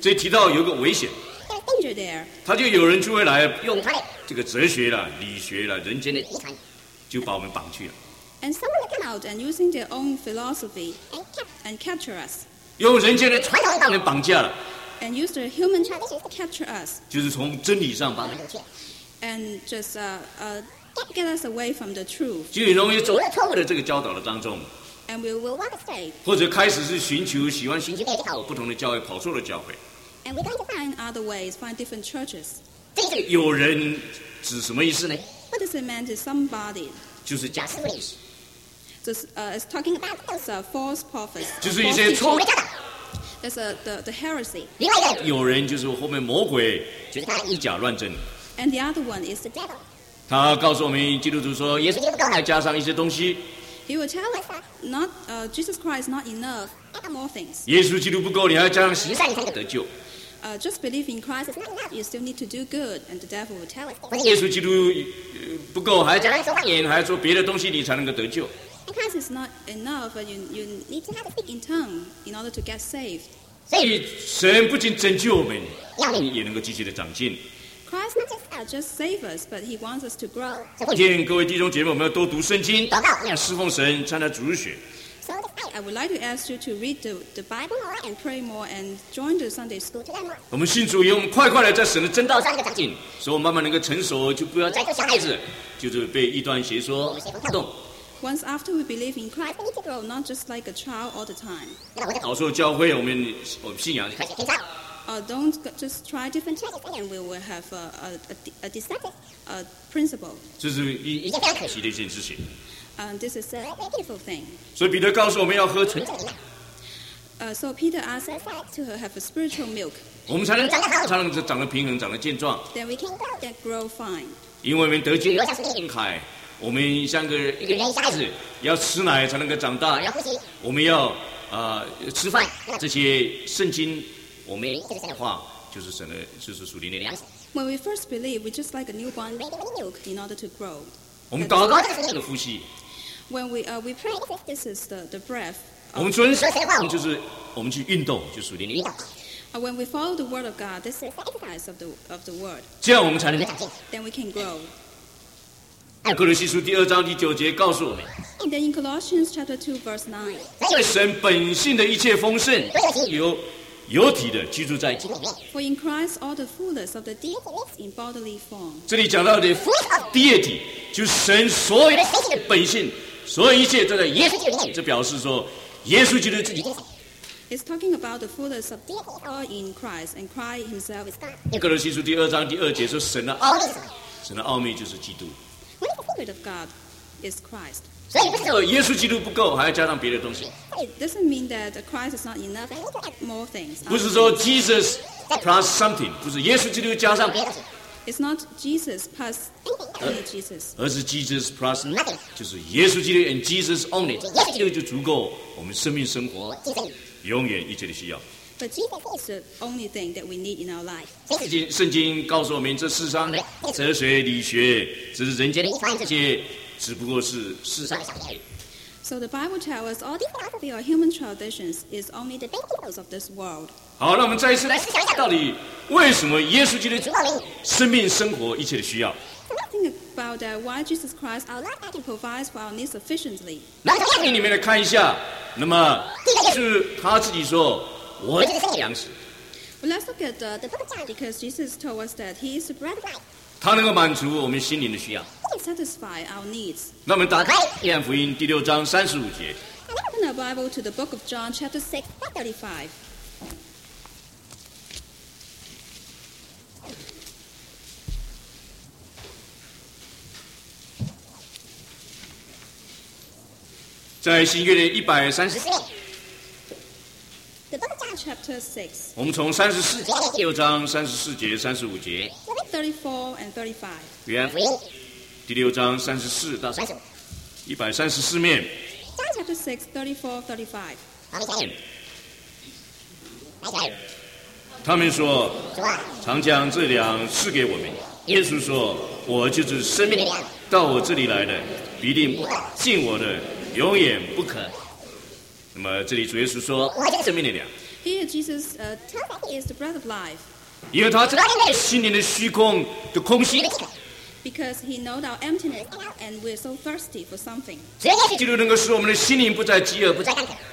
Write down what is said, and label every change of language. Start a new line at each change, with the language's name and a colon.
Chinese: 这提到有个危险。
English: There's danger there.
Chinese: 他就有人就会来用他的这个哲学啦、理学啦、人间的遗产。就把我们绑去了。
English: And someone will come out and using their own philosophy and capture us.
Chinese: 用人间的传统把我们绑架了。
English: And use their human traditions to capture us.
Chinese: 就是从真理上把我们。
English: And just get us away from the truth.
Chinese: 就很容易走在错误的这个教导的当中。
English: And we will want to stay.
Chinese: 或者开始是寻求喜欢寻求不同的教会，跑错了教会。
English: And we're going to find other ways, find different churches.
Chinese: 这个有人指什么意思呢？
English: What does it mean to somebody?
Chinese: 就是假师傅的意思。
English: So, it's talking about those false prophets.
Chinese: 就是一些错误的。
English: That's the heresy.
Chinese: 另外一个有人就是后面魔鬼，就是他以假乱真。
English: And the other one is the devil.
Chinese: 他告诉我们基督徒说，耶稣基督不够，还加上一些东西。
English: He will tell us not Jesus Christ not enough, add more things.
Chinese: 耶稣基督不够，你还要加上行善才能得救。
English: Just believe in Christ is not enough. You still need to do good, and the devil will tell us.
Chinese: 耶稣基督不够，还讲说方言，还说别的东西，你才能够得救。
English: And Christ is not enough. You need to have to speak in tongue in order to get saved.
Chinese: 所以神不仅拯救我们，也能够继续的长进。
English: Christ not just save us, but He wants us to grow.
Chinese: 今天各位弟兄姐妹，我们要多读圣经，祷告，侍奉神，参加主日学。
English: I would like to ask you to read the Bible more and pray more and join the Sunday school to learn more.
Chinese: 我们信主以后，我们快快的在神的真道上一个长进，所以我们慢慢能够成熟，就不要再做小孩子，就是被异端邪说撼动。
English: Once after we believe in Christ, we need to grow, not just like a child all the time.
Chinese: 好说教会，我们信仰开始偏差。
English: Don't just try different churches, and we will have a deceptive principle.
Chinese: 这是一件非常可惜的一件事情。
English: This is a beautiful thing.
Chinese: 所以彼得告诉我们要喝纯正的奶。
English: So Peter asked us to have a spiritual milk.
Chinese: 我们才能长得好，才能长得平衡，长得健壮。
English: Then we can grow, then grow fine.
Chinese: 因为我们得救，留下生命海，我们像个一个人一下子要吃奶才能够长大，要呼吸，我们要吃饭，这些圣经，我们这个神的话就是神的，就是属灵的粮食。
English: When we first believe, we just like a newborn baby milk in order to grow.
Chinese: 我们祷告就是这个呼吸。
English: When we pray, this is the breath.
Chinese: 我们遵守神话，就是我们去运动，就属灵的运动。
English: When we follow the word of God, this is the exercise of the word.
Chinese: 这样我们才能长进。
English: Then we can grow.
Chinese: 哥罗西书第二章第九节告诉我们。
English: And then in Colossians chapter 2 verse 9.
Chinese: 因为神本性的一切丰盛，有体的居住在基督里面。
English: For in Christ all the fullness of the deity lives in bodily form.
Chinese: 这里讲到的
English: fullness of
Chinese: deity 就是神所有的神性本性。所有一切都在耶稣基督里面，这表示说耶稣基督自己。
English: It's talking about the fullness of deity all in Christ, and Christ Himself is God.
Chinese: 哥罗西书第二章第二节说神的奥秘，神的奥秘就是基督。
English: What is the secret of God? Is Christ.
Chinese: 所以不是耶稣基督不够，还要加上别的东西。
English: It doesn't mean that Christ is not enough. I need to add more things.
Chinese: 不是说
English: Jesus plus something，
Chinese: 不是耶稣基督加上别的东西。
English: It's not Jesus plus only Jesus.
Chinese: 而是
English: Jesus plus nothing.
Chinese: 就是耶稣基督
English: and Jesus only.
Chinese: 耶稣基督就足够我们生命生活永远一切的需要。
English: But Jesus is the only thing that we need in our life.
Chinese: 圣经告诉我们，这世上的哲学理学只是人间的一些，只不过是世上的小菜。
English: So the Bible tells us all the philosophy or human traditions is only the details of this world.
Chinese: 好，让我们再一次来思想一下，到底为什么耶稣基督生命、生活一切的需要？
English: About that, why Jesus Christ our life actually provides for our needs sufficiently.
Chinese: 那从圣经里面来看一下，那么就是他自己说，我就是粮食。
English: Well, let's look at the book of John, because Jesus told us that he is the bread of life.
Chinese: 他能够满足我们心灵的需要。
English: He can satisfy our needs.
Chinese: 那我们打开约翰福音第六章三十五节。
English: Let's open our Bible to the book of John, chapter 6, verse 35.
Chinese: 在新约的一百三十四
English: ，The Book of John, Chapter Six。
Chinese: 我们从三十四节，六章三十四节、三十五节。
English: 34 and 35。
Chinese: 约翰第六章三十四到三十五，一百三十四面。
English: John Chapter Six, 34, 35。
Chinese: 他们说，常将这粮赐给我们。耶稣说，我就是生命的粮，到我这里来的，必定不饿，信我的。永远不可。那么这里主耶稣说，我就是生命的粮。
English: Here Jesus tells us he is the bread of life.
Chinese: 因为他知道心灵的虚空的空虚。
English: Because he knows our emptiness and we're so thirsty for something.
Chinese: 只有基督能够使我们的心灵不再饥饿，不再干渴。